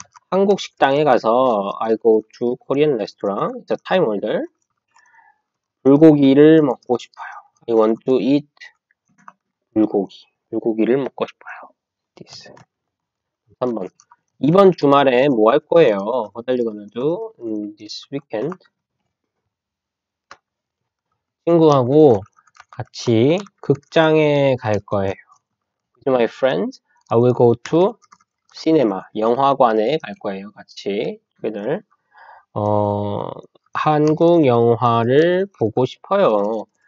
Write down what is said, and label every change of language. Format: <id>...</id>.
<ko>한국 식당에 가서</ko> <en>I go to Korean restaurant, the time order.</en> <ko>불고기를 먹고 싶어요.</ko> <en>I want to eat</en> <ko>불고기를 먹고 싶어요. This. 3번. 이번 주말에 뭐할 거예요?</ko> <en>What are you gonna do in this weekend?</en> <ko>친구하고 같이 극장에 갈 거예요.</ko> <en>With my friends, I will go to 시네마,</en> <ko>영화관에 갈 거예요. 같이 오늘 한국 영화를 보고 싶어요.</ko>